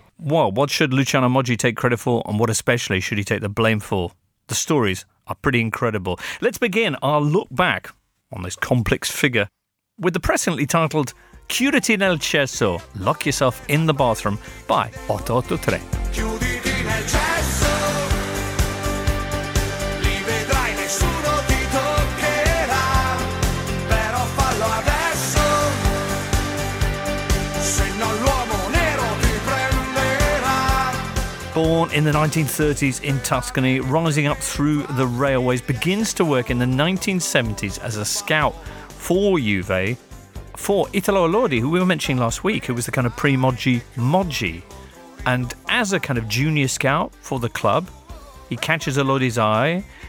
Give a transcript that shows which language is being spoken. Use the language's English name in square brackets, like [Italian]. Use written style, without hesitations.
[English] Well, what should Luciano Moggi take credit for and what especially should he take the blame for? The stories are pretty incredible. Let's begin our look back on this complex figure with the presently titled Chiuditi nel cesso, Lock Yourself in the Bathroom by 883. [Italian] Chiuditi nel cesso, li vedrai, nessuno ti toccherà, però fallo adesso, se no l'uomo nero ti prenderà. [English] Born in the 1930s in Tuscany, rising up through the railways, begins to work in the 1970s as a scout for Juve, for Italo Allodi, who we were mentioning last week, who was the kind of pre-Moggi Moggi. And as a kind of junior scout for the club, he catches Allodi's eye.